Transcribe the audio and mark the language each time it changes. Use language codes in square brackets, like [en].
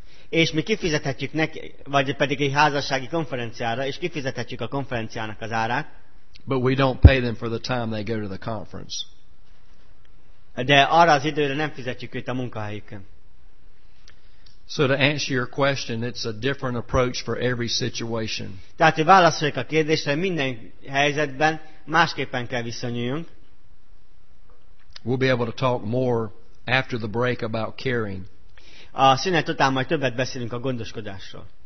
[hu] És mi kifizethetjük neki, vagy pedig egy házassági konferenciára, és kifizethetjük a konferenciának az árát. [en] But we don't pay them for the time they go to the conference. [hu] De arra az időre nem fizetjük őt a munkahelyükön. [en] So to answer your question, it's a different approach for every situation. [hu] Tehát, hogy válaszoljuk a kérdésre, minden helyzetben másképpen kell viszonyuljunk. [en] We'll be able to talk more after the break about caring. [hu] A szünet után majd többet beszélünk a gondoskodásról.